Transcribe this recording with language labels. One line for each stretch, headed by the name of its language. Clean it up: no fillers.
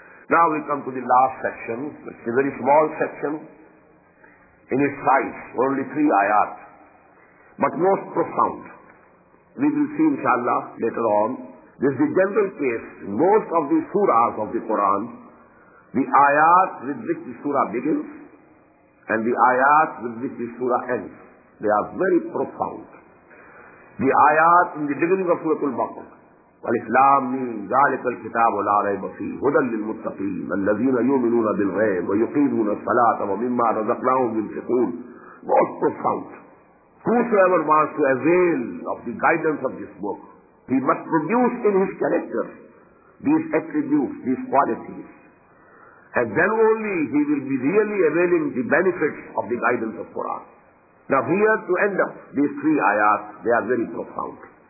English: Now we come to the last section, which is a very small section in its size, only three ayat, but most profound. We will see, inshallah, later on. This is the general case. Most of the surahs of the Quran, the ayat with which the surah begins and the ayat with which the surah ends, they are very profound. The ayat in the beginning of Surah Al-Baqarah,
Arabic: والإسلام من ذلك الكتاب لا ريب فيه هدى للمتقين الذين يؤمنون بالغيب ويقيمون الصلاة ومما رزقناهم ينفقون.
English: Most profound. Whosoever wants to avail of the guidance of this book, he must produce in his character these attributes, these qualities. And then only he will be really availing the benefits of the guidance of Quran. Now here to end up these three ayats, they are very profound.